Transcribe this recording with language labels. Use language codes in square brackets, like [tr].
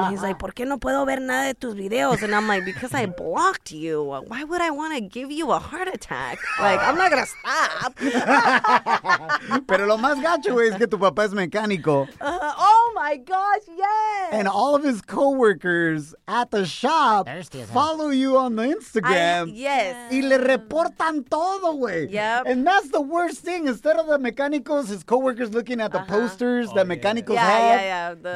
[es] Uh-huh. [en] He's like, [es] ¿por qué no puedo ver nada de tus videos? [en] And I'm like, because I blocked you. Why would I want to give you a heart attack? Like, I'm not going to stop. [es] Pero lo más gacho, güey, es que tu papá es mecánico. [en] Oh, my gosh, yes. And all of his coworkers at the shop follow you on the Instagram. Yes. [es] Y le reportan todo, güey. [en] Yep. And that's the worst thing. Instead of the mecánicos, his coworkers looking at the posters that mecánicos have. Yeah, yeah, yeah.